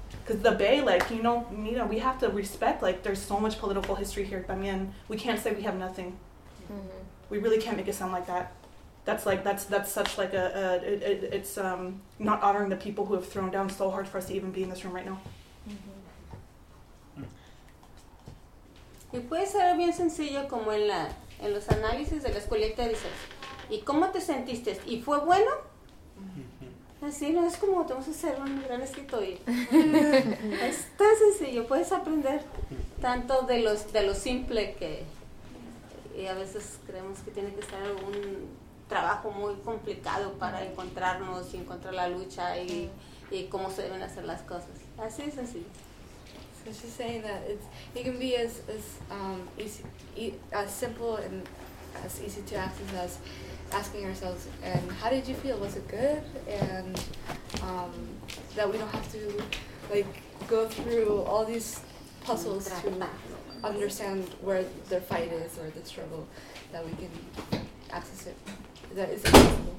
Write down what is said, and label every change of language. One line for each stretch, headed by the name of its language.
English: Because the Bay, Nina, we have to respect, there's so much political history here. I mean, we can't say we have nothing. Mm-hmm. We really can't make it sound like that. That's not honoring the people who have thrown down so hard for us to even be in this room right now. Mm-hmm.
Spanish: Y puede ser bien sencillo como en los análisis de la escuelita dices, ¿y cómo te sentiste? ¿Y fue bueno? Así, no es como te vamos a hacer un gran escrito y es tan sencillo, puedes aprender tanto de lo simple que y a veces creemos que tiene que estar algún trabajo muy complicado para encontrarnos y encontrar la lucha y cómo se deben hacer las cosas. Así es así.
English: So she's saying that it can be as simple and as easy to access as asking ourselves, and how did you feel? Was it good? And that we don't have to go through all these puzzles to understand where the fight is or the struggle, that we can access it.